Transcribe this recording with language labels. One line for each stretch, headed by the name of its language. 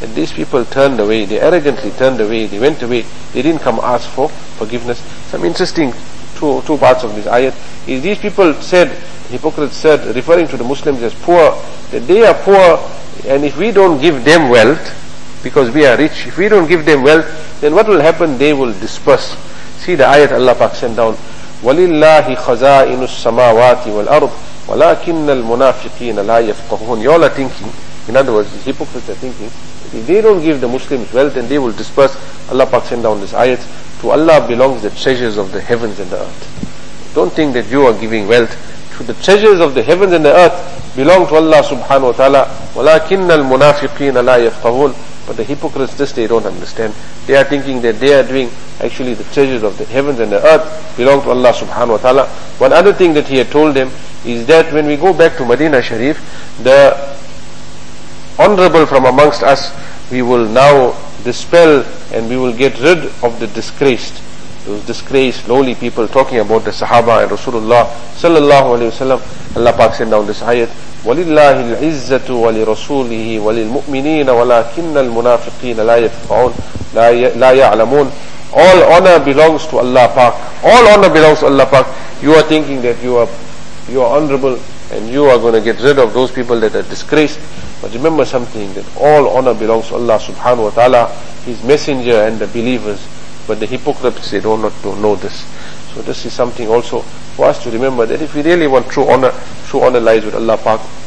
English: And these people turned away, they arrogantly turned away, they went away, they didn't come ask for forgiveness. Some interesting two parts of this ayat is these people said, hypocrites said, referring to the Muslims as poor, that they are poor, and if we don't give them wealth, because we are rich, if we don't give them wealth, then what will happen? They will disperse. See the ayat Allah Pak sent down,
Arabic: وَلِلَّهِ خَزَائِنُ السَّمَاوَاتِ وَالْأَرُضِ وَلَكِنَّ الْمُنَافِقِينَ لَا يَفْقَهُونَ.
English: You all are thinking, in other words, the hypocrites are thinking, if they don't give the Muslims wealth, then they will disperse. Allah Pak sent down this ayat, to Allah belongs the treasures of the heavens and the earth. Don't think that you are giving wealth. To the treasures of the heavens and the earth belong to Allah subhanahu wa ta'ala.
Arabic: وَلَكِنَّ الْمُنَافِقِينَ لَا يَفْقَهُونَ.
English: But the hypocrites, this they don't understand. They are thinking that they are doing, actually the treasures of the heavens and the earth belong to Allah subhanahu wa ta'ala. One other thing that he had told them is that when we go back to Madinah Sharif, the honorable from amongst us, we will now dispel and we will get rid of the disgraced. Those disgraced, lowly people talking about the Sahaba and Rasulullah sallallahu alayhi wa sallam. Allah Pak sent down this ayat,
Arabic: وَلِلَّهِ الْعِزَّةُ وَلِرَسُولِهِ وَلِلْمُؤْمِنِينَ وَلَكِنَّ الْمُنَافِقِينَ لَا يَفْقَهُونَ لَا يَعْلَمُونَ.
English: All honor belongs to Allah Pak. All honor belongs to Allah Pak. You are thinking that you are honorable and you are going to get rid of those people that are disgraced. But remember something, that all honor belongs to Allah subhanahu wa ta'ala, His messenger and the believers. But the hypocrites, they don't know this. So this is something also for us to remember, that if we really want true honor lies with Allah Pak.